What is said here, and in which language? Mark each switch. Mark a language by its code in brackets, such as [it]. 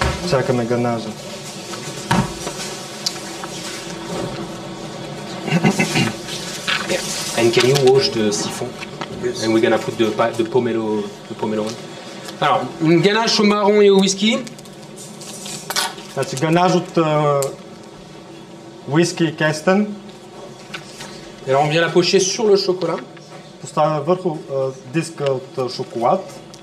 [bg] Чакаме ганажа. [en] And can you wash the siphon? Yes. And we're gonna put the pomelo. [fr] Alors, ganache au marron et au whisky. [bg] Значи ганаж от whisky кестен. [fr] Et on vient la pocher sur le chocolat. [bg] Поставя върху диска от шоколад.